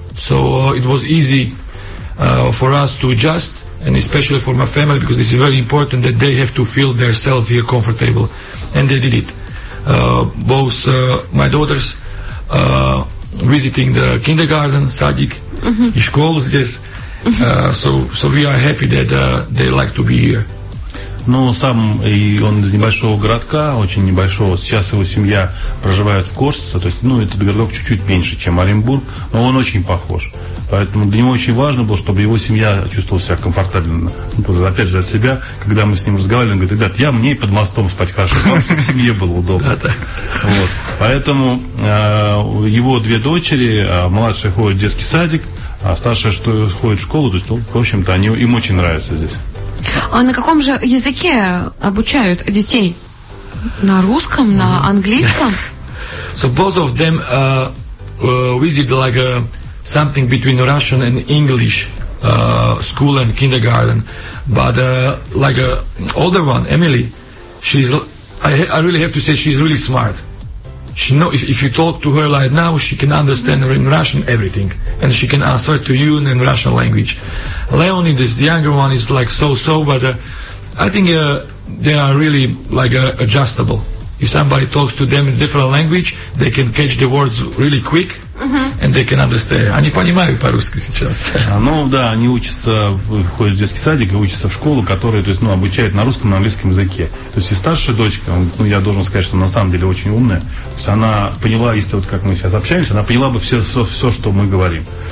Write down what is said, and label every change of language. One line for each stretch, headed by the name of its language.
English: So it was easy for us to adjust, and especially for my family, because this is very important that they have to feel themselves here comfortable, and they did it. Both my daughters visiting the kindergarten, sadik, mm-hmm.
Russian: школу здесь.
English: So we are happy that they like to be here.
Russian: Ну, сам и он из небольшого городка, очень небольшого. Сейчас его семья проживает в Корсице, то есть, ну, этот городок чуть-чуть меньше, чем Оренбург, но он очень похож. Поэтому для него очень важно было, чтобы его семья чувствовала себя комфортабельно. Ну, тут, опять же, от себя, когда мы с ним разговаривали, он говорит, ребят, я мне под мостом спать хорошо, потому что в семье было удобно. Поэтому его две дочери, младшая ходит в детский садик, а старшая, что ходит в школу, то есть, ну, в общем-то, они им очень нравятся здесь. А на каком же языке обучают детей? На русском, mm-hmm. на английском?
English: So both of them visit like something between Russian and English school and kindergarten. But like older one, Emily, she's I really have to say she's really smart. She know if you talk to her like now, she can understand in Russian everything, and she can answer to you in Russian language. Leonid, this younger one, is like so, but I think they are really like adjustable. If somebody talks to them in different language, they can catch the words really quick, mm-hmm. and they can understand.
Russian: Они понимают по-русски сейчас. Ну да, они учатся, ходят в детский садик и учатся в школу, которая, то есть, ну, обучает на русском, на английском языке. То есть и старшая дочка, ну, я должен сказать, что на самом деле очень умная. То есть она поняла, если вот как мы сейчас общаемся, она поняла бы все, что мы говорим.